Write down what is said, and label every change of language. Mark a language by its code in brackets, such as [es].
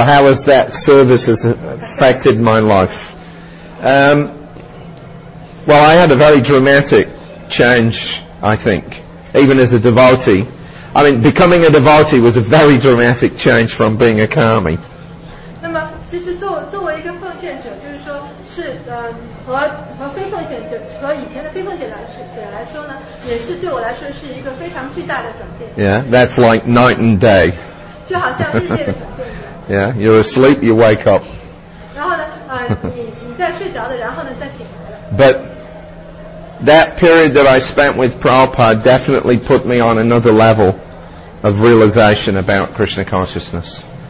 [en] So how has that service has affected my life? Well, I had a very dramatic change, I think, even as a devotee. I mean, becoming a devotee was a very dramatic change from being a kami. [zh] 那么，其实作为一个奉献者，就是说是和非奉献者和以前的非奉献者来说呢，也是对我来说是一个非常巨大的转变。 [en] Yeah, that's like night and day. [zh] 就好像日夜的转变。 [en] Yeah, you're asleep, you wake up. [zh] 然后呢，你在睡着的，然后呢再醒来了。 [en] But. That period that I spent with Prabhupada definitely put me on another level of realization about Krishna consciousness.